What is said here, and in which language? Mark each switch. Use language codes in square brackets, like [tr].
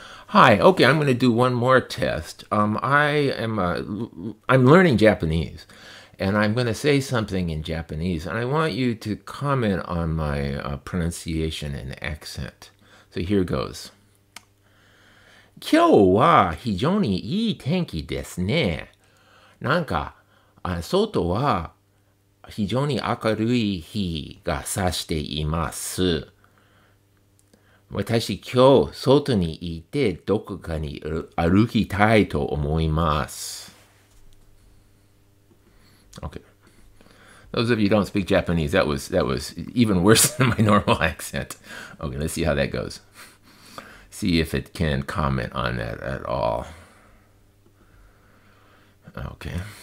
[en] Hi, okay, I'm going to do one more test. I'm learning Japanese, and I'm going to say something in Japanese, and I want you to comment on my pronunciation and accent. So here goes. [ja] 今日は非常にいい天気ですね。なんか、外は 非常に明るい日が差しています。私今日外にいてどこかに歩きたいと思います。Okay. [en] Those of you who don't speak Japanese, that was even worse than my normal accent. Okay, let's see how that goes. See if it can comment on that at all. Okay.